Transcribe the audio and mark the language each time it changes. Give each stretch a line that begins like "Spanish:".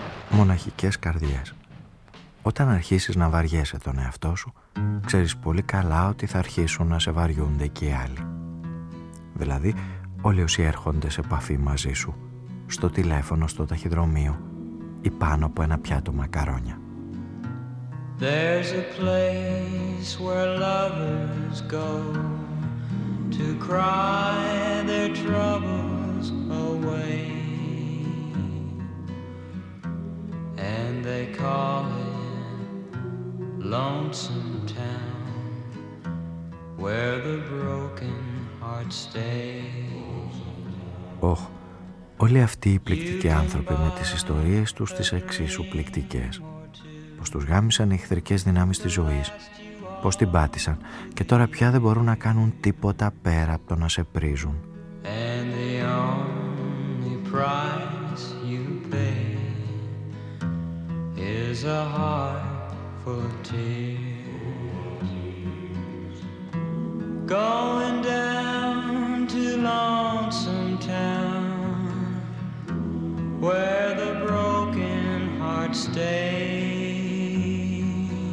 Greek: Μοναχικές καρδιές. Όταν αρχίσεις να βαριέσαι τον εαυτό σου, ξέρεις πολύ καλά ότι θα αρχίσουν να σε βαριούνται και οι άλλοι. Δηλαδή, όλοι όσοι έρχονται σε επαφή μαζί σου, στο τηλέφωνο, στο ταχυδρομείο ή πάνω από ένα πιάτο μακαρόνια.
English: There's a place where lovers go to cry their troubles away. And they call it Lonesome Town, where the broken heart stays.
Greek: Oh, όλοι αυτοί οι πληκτικοί άνθρωποι με τις ιστορίες τους τις εξίσου πληκτικές. Πως τους γάμισαν οι εχθρικές δυνάμεις της ζωής. Πως την πάτησαν και τώρα πια δεν μπορούν να κάνουν τίποτα πέρα από το να σε πρίζουν.
English: And the only price you pay is a heart full of tears. Going down to Lonesome Town, where the broken heart stays.